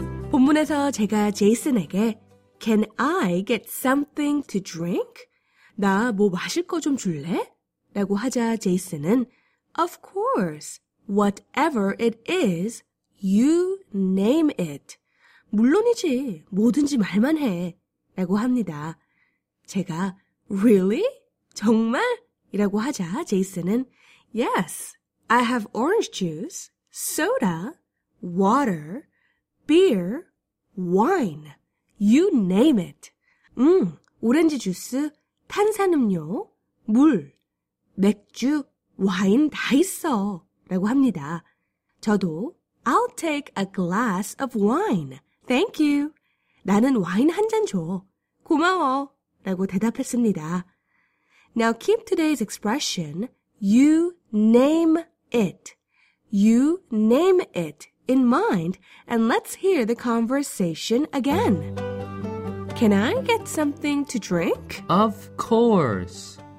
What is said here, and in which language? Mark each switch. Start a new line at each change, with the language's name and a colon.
Korean: 본문에서 제가 제이슨에게
English: Can I get something to drink?
Korean: 나 뭐 마실 거 좀 줄래? 라고 하자 제이슨은
English: Of course, whatever it is, you name it.
Korean: 물론이지, 뭐든지 말만 해. 라고 합니다. 제가 Really? 정말? 이라고 하자 제이슨은
English: Yes, I have orange juice, soda, water, beer, wine, you name it.
Korean: 오렌지 주스, 탄산음료, 물, 맥주, 와인 다 있어 라고 합니다. 저도
English: I'll take a glass of wine. Thank you.
Korean: 나는 와인 한 잔 줘. 고마워 라고 대답했습니다.
English: Now keep today's expression, you name it. You name it. In mind, and let's hear the conversation again. Can I get something to drink? Of course.